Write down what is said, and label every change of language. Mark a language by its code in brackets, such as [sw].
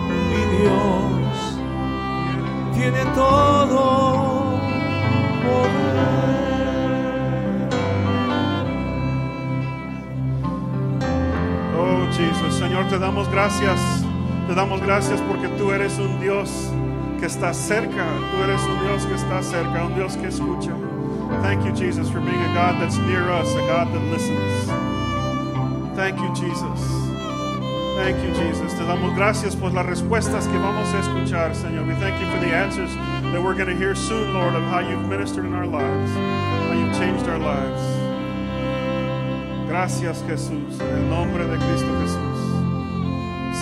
[es] Mi Dios tiene todo poder. Jesús, Señor, te damos gracias. Te damos gracias porque tú eres un Dios que está cerca. Tú eres un Dios que está cerca, un Dios que escucha. [en] Thank you, Jesus, for being a God that's near us, a God that listens. Thank you, Jesus. Thank you, Jesus. [es] Te damos gracias por las respuestas que vamos a escuchar, Señor. [en] We thank you for the answers that we're going to hear soon, Lord, of how you've ministered in our lives, how you've changed our lives. [es] Gracias, Jesús, en el nombre de Cristo Jesús.